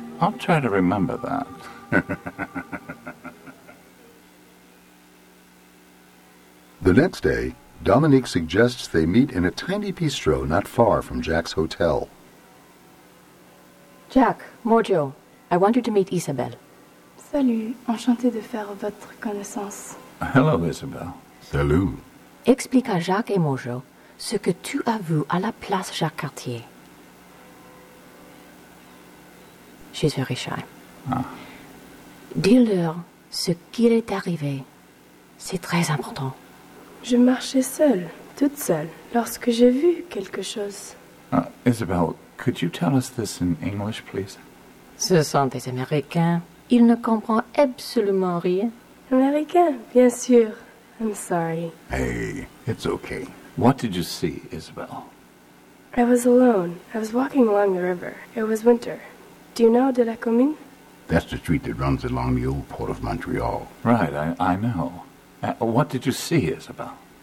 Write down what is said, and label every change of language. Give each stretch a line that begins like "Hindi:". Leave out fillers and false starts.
English: I'll try to remember that. The next day, Dominique suggests they meet in a tiny bistro not far from Jack's hotel. Jack, Mojo, I want you to meet Isabelle.
French: Salut, enchanté de faire votre connaissance.
English: Hello, Isabelle.
French: Salut. Explique à Jacques et Mojo ce que tu as vu à la place Jacques Cartier.
English: She's very shy. Ah.
French: Dis-leur ce qu'il est arrivé. C'est très important. Je marchais seule, toute seule, lorsque j'ai vu quelque chose.
English: Isabelle, could you tell us this in English, please?
French: Ce sont des Américains. Il ne comprend absolument rien. Américain, bien sûr.
English: I'm sorry. Hey, it's okay. What did you see, Isabelle? I was alone. I was walking along the river. It was winter. Do you know de la Commune? That's the street that runs along the old port of Montreal. Right, I know. What did you see, Isabelle?